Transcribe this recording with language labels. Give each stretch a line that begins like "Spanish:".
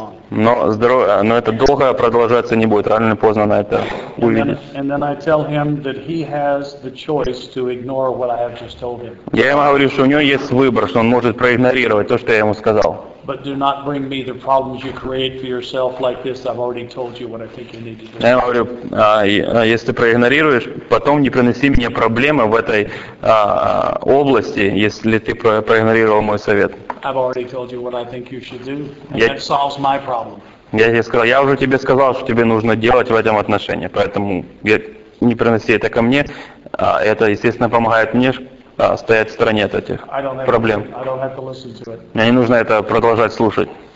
Russian: Но это долго продолжаться не будет, рано или поздно она это увидит. Я ему говорю, что у него есть выбор, что он может проигнорировать то, что я ему сказал.
English: But do not bring me the problems you create for yourself like this. I've already told you what I think you need to do.
Russian: Я говорю, если ты проигнорируешь, потом не приноси мне проблемы в этой области, если ты проигнорировал мой совет.
English: I've already told you what I think you should do, and that solves my problem.
Russian: Я тебе сказал, я уже тебе сказал, что тебе нужно делать в этом отношении, поэтому не приноси это ко мне. Это, естественно, помогает мне стоять в стороне от этих проблем. Мне не нужно это продолжать слушать.